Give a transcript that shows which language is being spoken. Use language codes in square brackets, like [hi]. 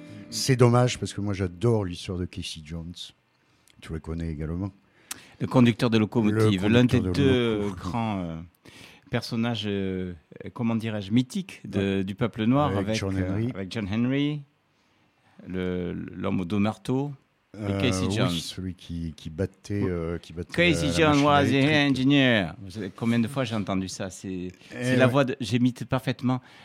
[fr] C'est dommage parce que moi j'adore l'histoire de Casey Jones. Tu le connais également. Le conducteur de locomotive, l'un des deux grands personnages, comment dirais-je, mythiques du peuple noir avec John Henry, l'homme aux deux marteaux. Et Casey Jones. Oui, celui qui battait. [en] Casey Jones was the engineer. [fr] Vous savez combien de fois j'ai entendu ça? C'est la voix de. J'imite parfaitement.